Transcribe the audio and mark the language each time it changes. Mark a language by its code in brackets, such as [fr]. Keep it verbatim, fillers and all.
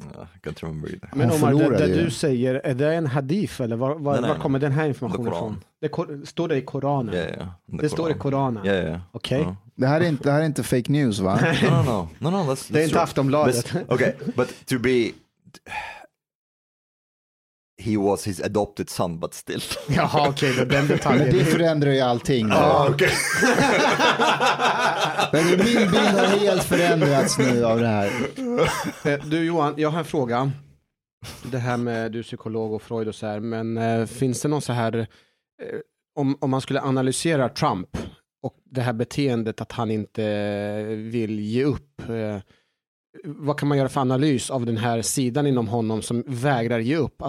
[sv] Ja, jag kan inte remember det. Men Omar, det, det du säger, är det en hadif? Eller var, var, nej, nej, var kommer den här informationen ifrån? Det kor, står det i Koranen? Ja, ja. Det, det står i Koranen. Ja, ja. Okej. Okay. Ja. Det här är inte, det här är inte fake news, va? [en] no, no, no. no, no let's, let's [sv] det är inte Aftonbladet. [en] Okay, but to be... He was his adopted son, but still. [sv] Jaha, okej, okay, den detaljen. Men det förändrar ju allting. Ah, okay. Men min bild har helt förändrats nu av det här. Du Johan, jag har en fråga. Det här med, du är psykolog och Freud och så här, men eh, finns det någon så här, eh, om, om man skulle analysera Trump och det här beteendet att han inte vill ge upp, eh, vad kan man göra för analys av den här sidan inom honom som vägrar ge upp?